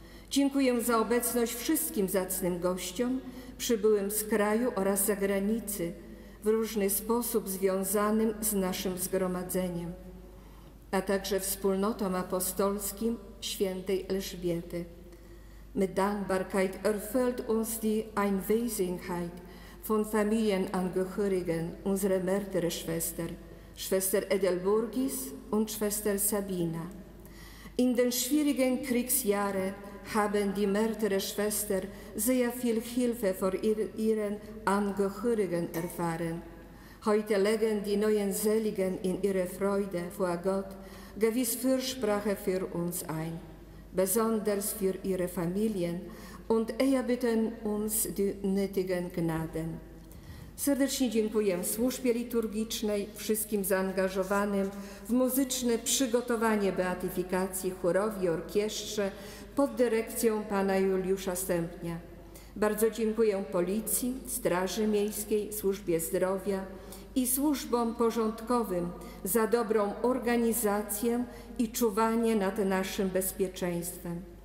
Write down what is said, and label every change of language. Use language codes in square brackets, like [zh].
[pl] Dziękuję za obecność wszystkim zacnym gościom, przybyłym z kraju oraz zagranicy, w różny sposób związanym z naszym zgromadzeniem, a także wspólnotom apostolskim świętej Elżbiety. [de] Mit Dankbarkeit erfüllt uns die Einwesenheit von Familienangehörigen unserer Märtyrerschwester, Schwester Edelburgis und Schwester Sabina. In den schwierigen Kriegsjahren haben die Märtyrerschwester sehr viel Hilfe von ihren Angehörigen erfahren. Heute legen die neuen Seligen in ihre Freude vor Gott gewiss Fürsprache für uns ein, besonders für ihre Familien, und erbitten uns die nötigen Gnaden. [pl] Serdecznie dziękuję służbie liturgicznej, wszystkim zaangażowanym w muzyczne przygotowanie beatyfikacji, chórowi, orkiestrze pod dyrekcją pana Juliusza Stępnia. Bardzo dziękuję policji, straży miejskiej, służbie zdrowia i służbom porządkowym za dobrą organizację i czuwanie nad naszym bezpieczeństwem.